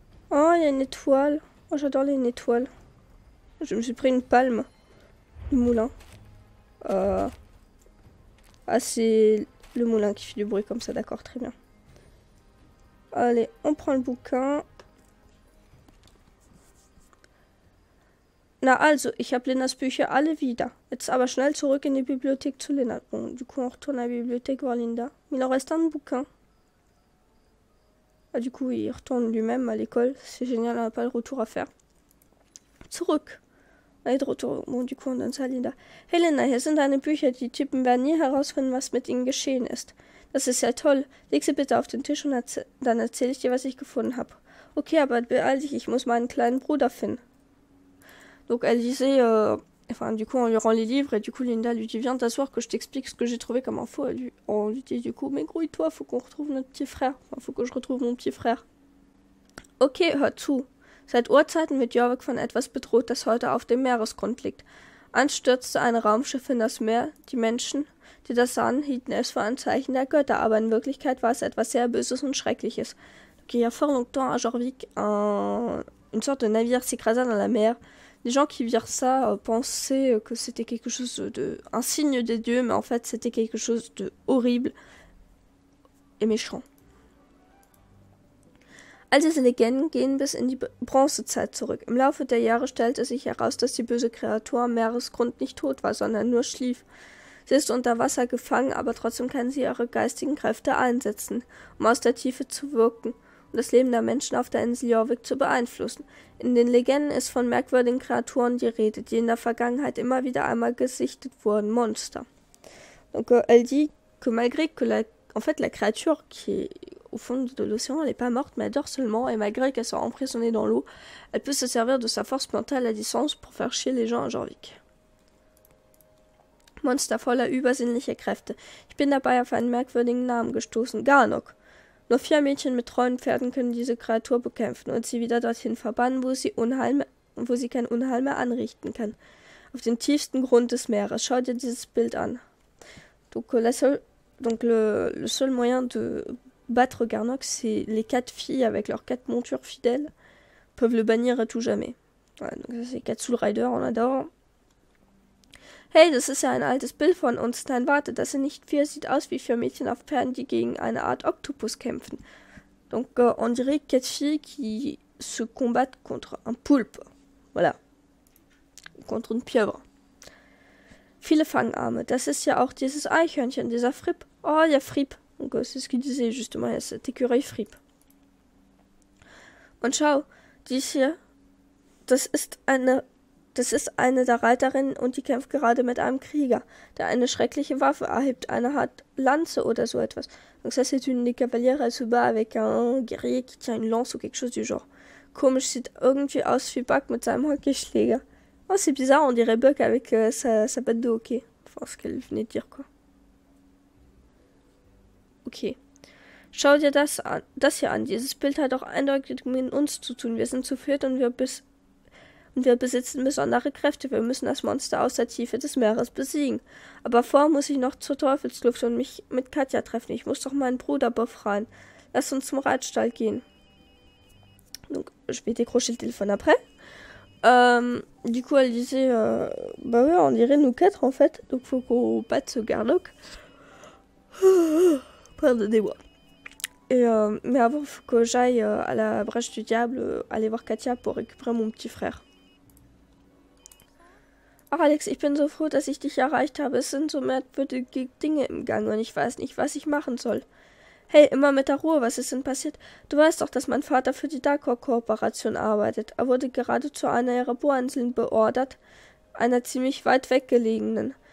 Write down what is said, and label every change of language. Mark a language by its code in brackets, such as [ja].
[fr] Oh, il y a une étoile. Oh, j'adore les étoiles. Je me suis pris une palme. Le moulin. Ah, c'est le moulin qui fait du bruit comme ça. D'accord, très bien. Allez, on prend le bouquin. [de] Na also, ich habe Lenas Bücher alle wieder. Jetzt aber schnell zurück in die Bibliothek zu Lena. [fr] Bon, du coup, on retourne à la bibliothèque voir Linda. Il en reste un bouquin. Ah, du coup, il retourne lui-même à l'école. C'est génial, on n'a pas le retour à faire. Zurück. Allez, de retour. Bon, du coup, on donne ça à Linda. [de] Helena, hier sind deine Bücher. Die Typen werden nie herausfinden, was mit ihnen geschehen ist. Das ist ja toll. Leg sie bitte auf den Tisch und erz dann erzähle ich dir, was ich gefunden habe. Okay, aber beeil dich, ich muss meinen kleinen Bruder finden. [fr] Donc elle disait, enfin du coup on lui rend les livres et du coup Linda lui dit viens t'asseoir que je t'explique ce que j'ai trouvé comme info. On lui dit du coup mais grouille-toi, faut qu'on retrouve notre petit frère, enfin, faut que je retrouve mon petit frère. [de] Ok, hör zu. Seit Urzeiten wird Jorvik von etwas bedroht, das heute auf dem Meeresgrund liegt. Einst stürzte ein Raumschiff in das Meer. Die Menschen, die das sahen, hielten es für ein Zeichen der Götter, aber in Wirklichkeit war es etwas sehr Böses und Schreckliches. [fr] Donc il y a fort longtemps à Jorvik, une sorte de navire s'écrasa dans la mer. Les gens qui virent ça pensaient que c'était quelque chose de un signe des dieux, mais en fait c'était quelque chose de horrible et méchant. [de] Als sie legen, gehen bis in die Bronzezeit zurück. Im Laufe der Jahre stellte sich heraus, dass die böse Kreatur am Meeresgrund nicht tot war, sondern nur schlief. Sie ist unter Wasser gefangen, aber trotzdem kann sie ihre geistigen Kräfte einsetzen, um aus der Tiefe zu wirken und das Leben der Menschen auf der Insel Jorvik zu beeinflussen. In den Legenden ist von merkwürdigen Kreaturen die Rede, die in der Vergangenheit immer wieder einmal gesichtet wurden. Monster. [fr] Donc, elle dit que malgré que en fait, la créature qui est au fond de l'océan, elle n'est pas morte, mais elle dort seulement, et malgré qu'elle soit emprisonnée dans l'eau, elle peut se servir de sa force mentale à distance pour faire chier les gens à Jorvik. [de] Monster voller übersinnlicher Kräfte. Ich bin dabei auf einen merkwürdigen Namen gestoßen. Garnok. Nur vier Mädchen mit treuen Pferden können diese Kreatur bekämpfen und sie wieder dorthin verbannen, wo sie kein Unheil mehr anrichten kann. Auf den tiefsten Grund des Meeres. Schau dir dieses Bild an. [fr] Donc le seul moyen de battre Garnok, c'est les quatre filles avec leurs quatre montures fidèles peuvent le bannir à tout jamais. Ouais, donc ça c'est quatre Soul Riders, on adore. [de] Hey, das ist ja ein altes Bild von uns. Nein, warte, das sind nicht vier, sieht aus wie vier Mädchen auf Pferden, die gegen eine Art Oktopus kämpfen. [fr] Donc, on dirait quatre filles qui se combattent contre un poulpe. Voilà. Contre une pieuvre. [de] Viele Fangarme. Das ist ja auch dieses Eichhörnchen, dieser Fripp. Oh, ja, Fripp. [fr] Donc, c'est ce qu'il disait justement, il y a cet écureuil Fripp. [de] Und schau, die hier, Das ist eine der Reiterinnen und die kämpft gerade mit einem Krieger, der eine schreckliche Waffe erhebt, eine Art Lanze oder so etwas. [fr] Donc ça, c'est une des cavalières, elle se bat avec un guerrier qui tient une lance ou quelque chose du genre. [de] Komisch, sieht irgendwie aus wie Buck mit seinem Hockeyschläger. [fr] Oh, c'est bizarre, on dirait Buck avec sa patte de hockey. Enfin, ce qu'elle venait de dire, quoi. Ok. [de] Schau dir das an, das hier an. Dieses Bild hat auch eindeutig mit uns zu tun. Wir sind zu viert und wir besitzen besondere Kräfte. Wir müssen das Monster aus der Tiefe des Meeres besiegen. Aber vorher muss ich noch zur Teufelskluft und mich mit Katja treffen. Ich muss doch meinen Bruder befreien. Lass uns zum Reitstall gehen. [fr] Donc, je vais décrocher le téléphone après. Du coup, elle disait, bah ouais, on dirait nous quatre en fait. Donc, faut qu'on batte ce Garnok. Pardonnez-moi. Mais avant, faut que j'aille à la brèche du diable, aller voir Katia pour récupérer mon petit frère. [de] Ach Alex, ich bin so froh, dass ich dich erreicht habe. Es sind so merkwürdige Dinge im Gange und ich weiß nicht, was ich machen soll. Hey, immer mit der Ruhe, was ist denn passiert? Du weißt doch, dass mein Vater für die Darkor-Kooperation arbeitet. Er wurde gerade zu einer ihrer Bohrinseln beordert, einer ziemlich weit weggelegenen.